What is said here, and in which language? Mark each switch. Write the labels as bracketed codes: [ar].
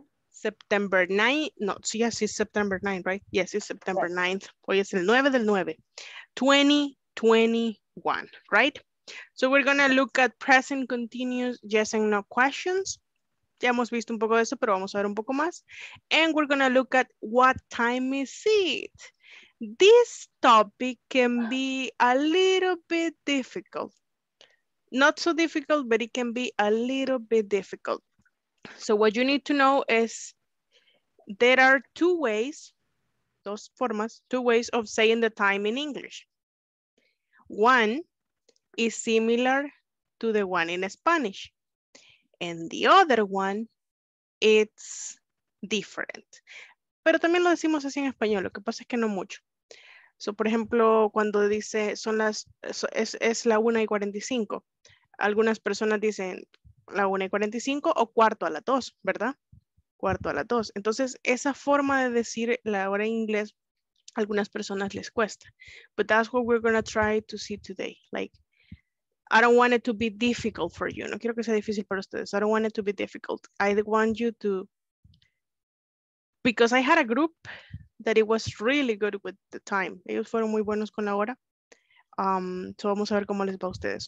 [en] September 9th, no, yes, it's September 9th, right? Yes, it's September 9th. [es] Hoy es el 9 del 9, 2021, right? [en] So we're going to look at present continuous yes and no questions. [es] Ya hemos visto un poco de eso, pero vamos a ver un poco más. [en] And we're going to look at what time is it? This topic can be a little bit difficult. Not so difficult, but it can be a little bit difficult. So what you need to know is there are two ways, [es] dos formas, [en] two ways of saying the time in English. One is similar to the one in Spanish. And the other one, it's different. [es] Pero también lo decimos así en español, lo que pasa es que no mucho. So por ejemplo, cuando dice son las, es la 1:45, algunas personas dicen la 1:45 o cuarto a las 2, ¿verdad? Cuarto a las 2. Entonces, esa forma de decir la hora en inglés, a algunas personas les cuesta. [en] But that's what we're going to try to see today. Like, I don't want it to be difficult for you. [es] No quiero que sea difícil para ustedes. [en] I don't want it to be difficult. I want you to... Because I had a group that it was really good with the time. [es] Ellos fueron muy buenos con la hora. So vamos a ver cómo les va a ustedes.